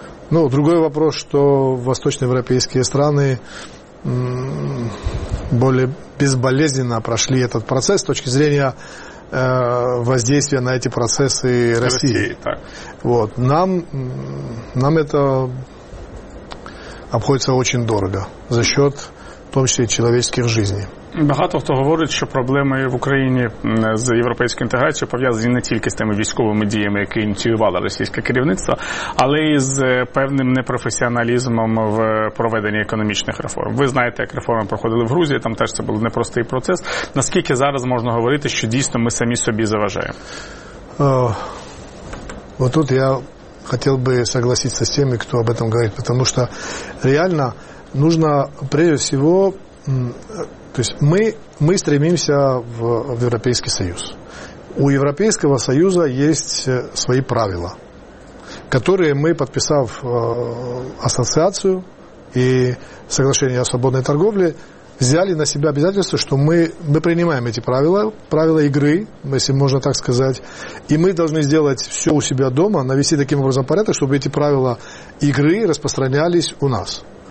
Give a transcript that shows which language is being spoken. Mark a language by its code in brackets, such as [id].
[ru] Ну, другой вопрос, что восточноевропейские страны более безболезненно прошли этот процесс с точки зрения воздействия на эти процессы России. Вот. Нам это обходиться очень дорого, за счет, [uk] в тому числі, [ru] человеческих жизней. [uk] Багато хто говорить, що проблеми в Україні з європейською інтеграцією пов'язані не тільки з тими військовими діями, які ініціювало російське керівництво, але й з певним непрофесіоналізмом в проведенні економічних реформ. Ви знаєте, як реформи проходили в Грузії, там теж це був непростий процес. Наскільки зараз можна говорити, що дійсно ми самі собі заважаємо? [ru] Отут я хотел бы согласиться с теми, кто об этом говорит, потому что реально нужно, прежде всего, то есть мы стремимся в Европейский Союз. У Европейского Союза есть свои правила, которые мы, подписав ассоциацию и соглашение о свободной торговле, взяли на себя обязательство, что мы принимаем эти правила игры, если можно так сказать, и мы должны сделать все у себя дома, навести таким образом порядок, чтобы эти правила игры распространялись у нас.